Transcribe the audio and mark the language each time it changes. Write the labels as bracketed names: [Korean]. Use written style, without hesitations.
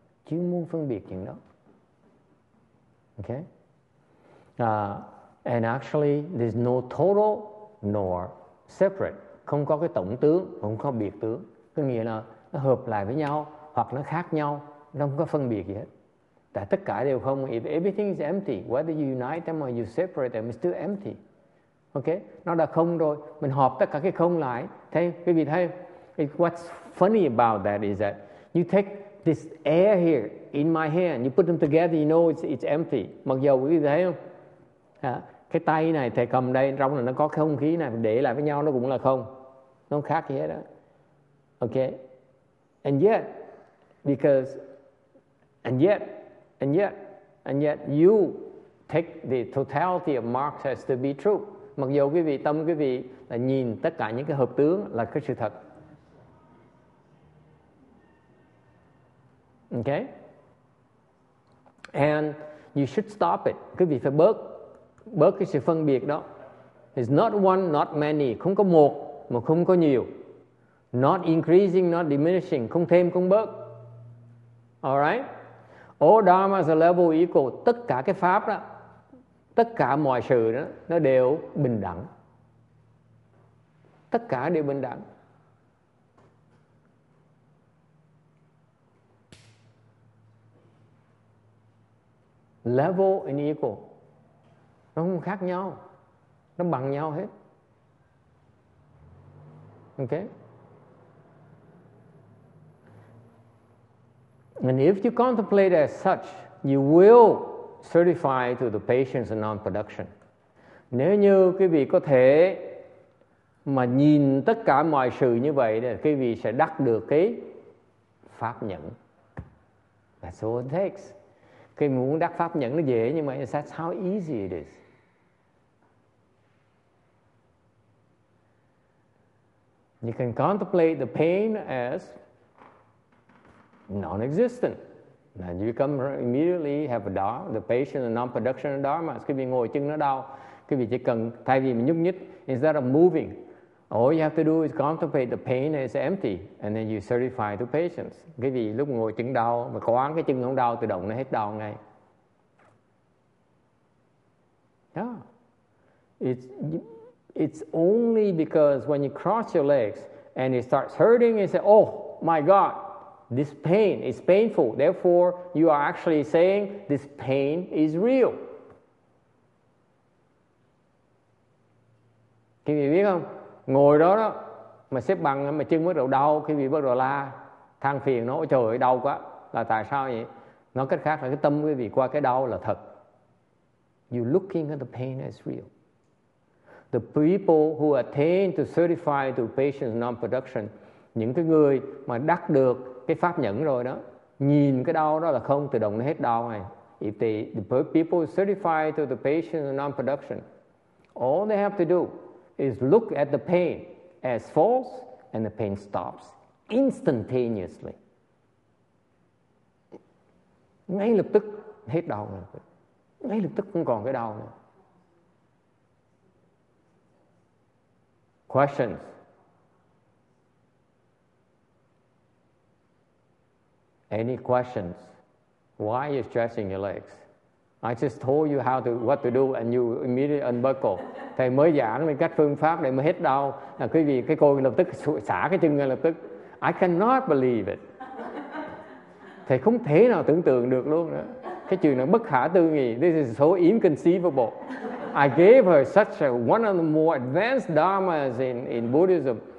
[Vietnamese] Chứ muốn phân biệt chuyện đó. Okay? [English] And actually, there's no total nor separate. [Vietnamese] Không có cái tổng tướng, không có biệt tướng. Có nghĩa là nó hợp lại với nhau, hoặc nó khác nhau, nó không có phân biệt gì hết. Tại tất cả đều không. [English] If everything is empty, whether you unite them or you separate them, it's still empty. [Vietnamese] Okay, nó đã không rồi, mình họp tất cả cái không lại. Thế quý vị thấy, [English] what's funny about that is that you take this air here in my hand, you put them together, you know it's empty. [Vietnamese] Mặc dù quý vị thấy không, cái tay này thầy cầm đây, trong là nó có không khí này, để lại với nhau nó cũng là không, nó không khác gì hết đó. [English] Okay, and yet you take the totality of marks as to be true. [Vietnamese] Mặc dù quý vị tâm quý vị là nhìn tất cả những cái hợp tướng là cái sự thật. [English] Okay? And you should stop it. [Vietnamese] Quý vị phải bớt cái sự phân biệt đó. [English] It's not one, not many. [Vietnamese] Không có một, mà không có nhiều. [English] Not increasing, not diminishing. [Vietnamese] Không thêm, không bớt. [English] Alright? All dharma is a level equal. [Vietnamese] Tất cả cái pháp đó, tất cả mọi sự đó, nó đều bình đẳng. Tất cả đều bình đẳng. [English] level and equal. [Vietnamese] Nó không khác nhau. Nó bằng nhau hết. [English] Ok? And if you contemplate as such, you will certify to the patience and non-production. [Vietnamese] Nếu như quý vị có thể mà nhìn tất cả mọi sự như vậy, thì quý vị sẽ đắc được cái pháp nhẫn. [English] That's all it takes. [Vietnamese] Khi muốn đắc pháp nhẫn nó dễ, nhưng mà [English] that's how easy it is. You can contemplate the pain as non-existent. And you come immediately have a dharma, the patient and non-production of dharma. [Vietnamese] Quý vị ngồi chân nó đau, quý vị chỉ cần thay vì nhúc nhích, [English] instead of moving, all you have to do is contemplate the pain is empty, and then you certify to patience. [Vietnamese] Quý vị lúc ngồi chân đau, mà quán cái chân không đau, tự động nó hết đau ngay. [English] Yeah. It's only because when you cross your legs and it starts hurting, you say, oh my God, this pain is painful. Therefore, you are actually saying this pain is real. [Vietnamese] Quý vị biết không? Ngồi đó đó, mà xếp bằng mà chân bắt đầu đau, quý vị bắt đầu la, than phiền nó, trời ơi đau quá. Là tại sao vậy? Nó cách khác là cái tâm quý vị qua cái đau là thật. [English] You're looking at the pain as real. The people who attain to certify to patience non-production, [Vietnamese] những cái người mà đắc được cái pháp nhẫn rồi đó, nhìn cái đau đó là không, tự động nó hết đau này. [English] If the people certify to the patience non-production, all they have to do is look at the pain as false, and the pain stops instantaneously. [Vietnamese] Ngay lập tức hết đau rồi. Ngay lập tức không còn cái đau nữa. [English] Questions? Any questions? Why are you stretching your legs? I just told you how to what to do and you immediately unbuckle. [Vietnamese] Thầy mới giảng mình cách phương pháp để mới hết đau. Là quý vị cái cô lập tức xả cái chân ngay lập tức. [English] I cannot believe it. [Vietnamese] Thầy không thể nào tưởng tượng được luôn đó. Cái chuyện này bất khả tư nghị. [English] This is so inconceivable. I gave her such a one of the more advanced dharmas in Buddhism.